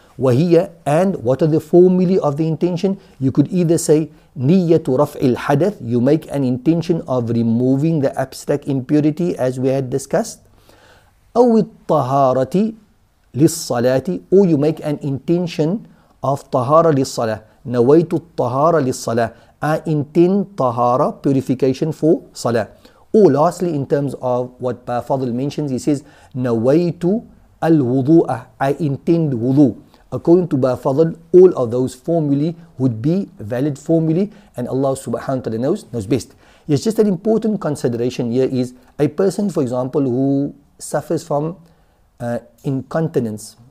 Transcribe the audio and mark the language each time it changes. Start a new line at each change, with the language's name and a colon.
English: Wahiyya, and what are the formulae of the intention? You could either say,
Arabic: niyyatu raf'il hadath,
English: you make an intention of removing the abstract impurity as we had discussed.
Arabic: أو الطهارة للصلاة,
English: or you make an intention of
Arabic: طهارة للصلاة. نويت الطهارة للصلاة.
English: I intend طهارة, purification for صلاة. Oh, lastly, in terms of what Fadl mentions, he says,
Arabic: نويت الوضوء,
English: I intend wudu. According to Bafadl, all of those formulae would be valid formulae, and Allah subhanahu wa ta'ala knows best. It's just an important consideration here is a person, for example, who suffers from incontinence.